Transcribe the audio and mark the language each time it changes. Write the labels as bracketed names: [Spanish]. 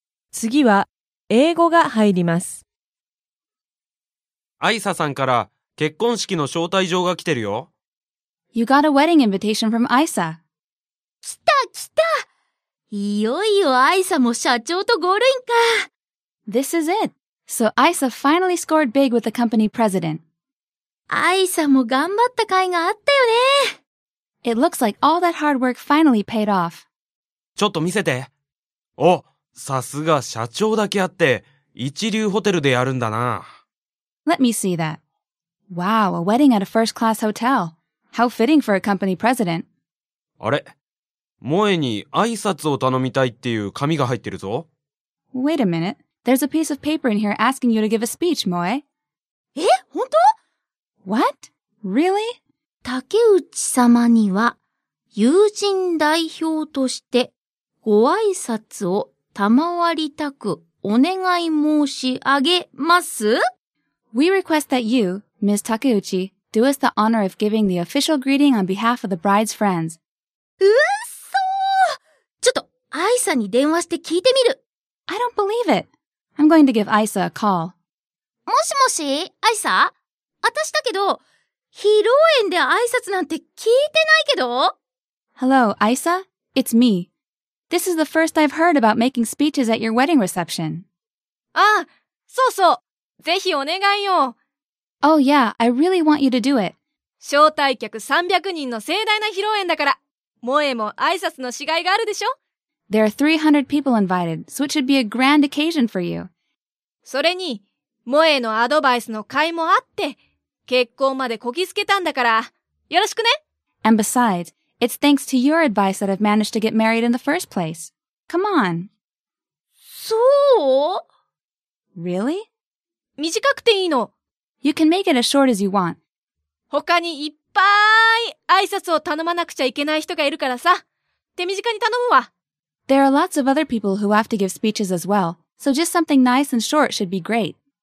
[Japanese] 次は英語が入ります。アイサさんから結婚式の招待状が来てるよ。 [English] You got a wedding invitation from アイサ。 [Japanese] 来た来た。いよいよアイサも社長とゴールインか。 [English] This is it. So Aisa finally scored big with the company president. [Japanese] アイサも頑張った甲斐があったよね。 [English] It looks like all that hard work finally paid off. [Japanese] ちょっと見せて。お、さすが社長だけあって一流ホテルでやるんだな。 [English] Let me see that. Wow, a wedding at a first class hotel. How fitting for a company president. [Japanese] あれ？萌えに挨拶を頼みたいっていう紙が入ってるぞ。 [English] Wait a minute. There's a piece of paper in here asking you to give a speech, Moe. [Japanese] え？本当？ [English] What? Really? [Japanese] 竹内様には友人代表としてご挨拶を賜りたくお願い申し上げます。 [English] We request that you, Ms. Takeuchi, do us the honor of giving the official greeting on behalf of the bride's friends. [Japanese] うっそー! ちょっと、アイサに電話して聞いてみる。 [English] I don't believe it. I'm going to give アイサ a call. [Japanese] もしもし、アイサ? 私だけど、披露宴で挨拶なんて聞いてないけど? [English] Hello, Aisa. It's me. This is the first I've heard about making speeches at your wedding reception. [Japanese] ああ、そうそう。ぜひお願いよ。 [English] Oh yeah, I really want you to do it. [Japanese] 招待客300人の盛大な披露宴だから、萌も挨拶のしがいがあるでしょ? [English] There are 300 people invited, so it should be a grand occasion for you. [Japanese] それに、萌のアドバイスの甲斐もあって、結婚までこぎつけたんだから、よろしくね! [English] And besides, it's thanks to your advice that I've managed to get married in the first place. Come on! [Japanese] そう? [English] Really? [Japanese] 短くていいの! [English] You can make it as short as you want. [Japanese] 他にいっぱい挨拶を頼まなくちゃいけない人がいるからさ、手短に頼むわ! [English] There are lots of other people who have to give speeches as well, so just something nice and short should be great.